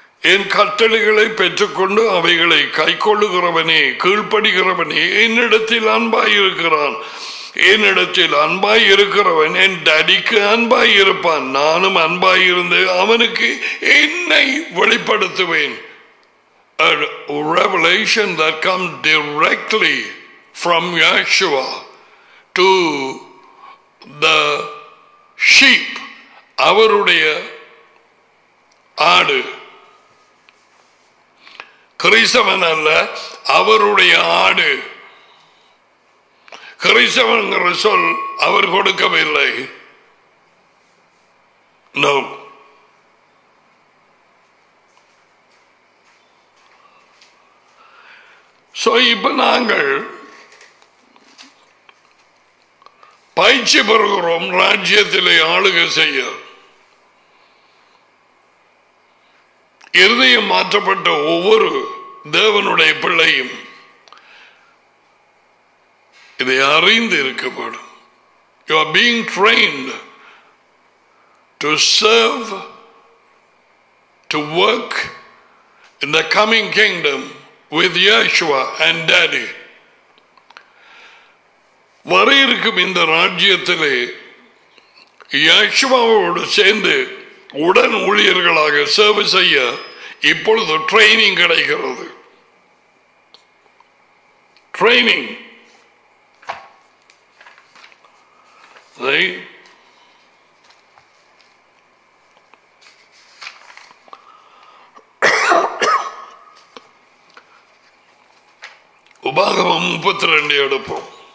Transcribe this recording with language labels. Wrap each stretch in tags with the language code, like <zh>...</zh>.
<ta>என் கட்டளைகளை பெற்றுக்கொண்டு அவைகளை கை கொள்ளுகிறவனே, கீழ்ப்படுகிறவனே என்னிடத்தில் அன்பாயிருக்கிறான். என்னிடத்தில் அன்பாயிருக்கிறவன் என் டாடிக்கு அன்பாயிருப்பான், நானும் அன்பாயிருந்து அவனுக்கு என்னை வெளிப்படுத்துவேன்.</ta> <en>A revelation that comes directly from Yeshua to the sheep,</en> <ta>அவருடைய ஆடு. கிறிஸ்தவன் அல்ல, அவருடைய ஆடு. கிறிஸ்தவன்கிற சொல் அவர் கொடுக்கவில்லை. நோ, சோ இப்ப நாங்கள் பயிற்சி பெறுகிறோம் ராஜ்யத்திலே ஆளுகை செய்ய. இருதயம் மாற்றப்பட்ட ஒவ்வொரு தேவனுடைய பிள்ளையும் இதை அறிந்து இருக்கப்படும்.</ta> <en>You are being trained to serve, to work in the coming kingdom with Yeshua and Daddy.</en> <ta>வர இருக்கும் இந்த ராஜ்யத்திலே யேசுவாவோடு சேர்ந்து உடன் ஊழியர்களாக சர்வ் செய்ய இப்பொழுது ட்ரைனிங் கிடைக்கிறது. ட்ரைனிங் உபாகமம் 32 எடுப்போம்.</ta>